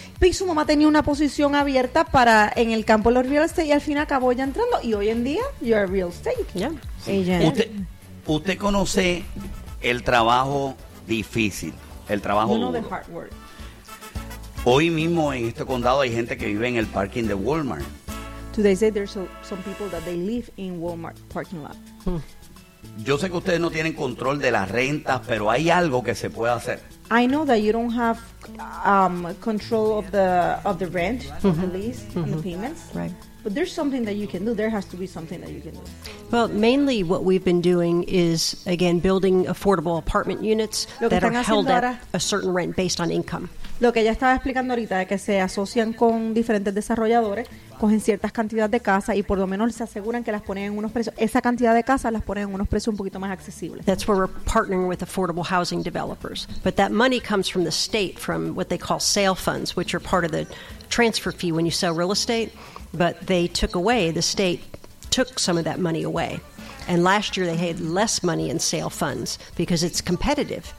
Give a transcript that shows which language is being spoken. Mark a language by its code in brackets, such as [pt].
[es] Y su mamá tenía una posición abierta para en el campo de los real estate y al fin acabó ella entrando. Y hoy en día, [en] you're a real estate. Yeah. [es] Sí. ¿Usted conoce el trabajo difícil, el trabajo duro? [en] You know the hard work. [es] Hoy mismo en este condado hay gente que vive en el parking de Walmart. [en] Today they say there's some people that they live in Walmart parking lot. [es] Yo sé que ustedes no tienen control de las rentas, pero hay algo que se puede hacer. [en] I know that you don't have control of the rent, mm-hmm. the lease, mm-hmm. and the payments. Right. But there's something that you can do. There has to be something that you can do. Well, mainly what we've been doing is, again, building affordable apartment units that are held at a certain rent based on income. [es] Lo que ella estaba explicando ahorita es que se asocian con diferentes desarrolladores, cogen ciertas cantidades de casas y por lo menos se aseguran que las ponen en unos precios, esa cantidad de casas las ponen en unos precios un poquito más accesibles. [en] That's where we're partnering with affordable housing developers. But that money comes from the state, from what they call sale funds, which are part of the transfer fee when you sell real estate. But they took away, the state took some of that money away. And last year they had less money in sale funds because it's competitive.